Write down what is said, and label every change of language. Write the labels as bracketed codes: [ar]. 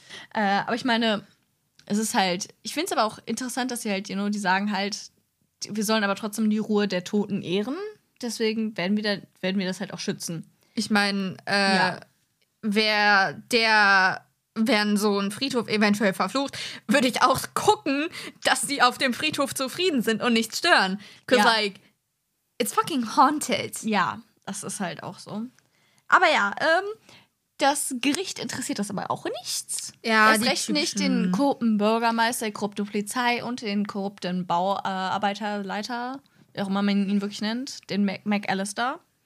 [de] Aber ich meine, es ist halt, ich finde es aber auch interessant, dass sie halt, die sagen halt, wir sollen aber trotzdem die Ruhe der Toten ehren. Deswegen werden wir das halt auch schützen. Ich meine, wer der wenn so ein Friedhof eventuell verflucht, würde ich auch gucken, dass sie auf dem Friedhof zufrieden sind und nichts stören. [en] Because like, it's fucking haunted. [de] Ja, das ist halt auch so. Aber ja, das Gericht interessiert das aber auch nichts. Ja, erst recht nicht den korrupten Bürgermeister, die korrupte Polizei und den korrupten Bauarbeiterleiter, wie auch immer man ihn wirklich nennt, den McAllister.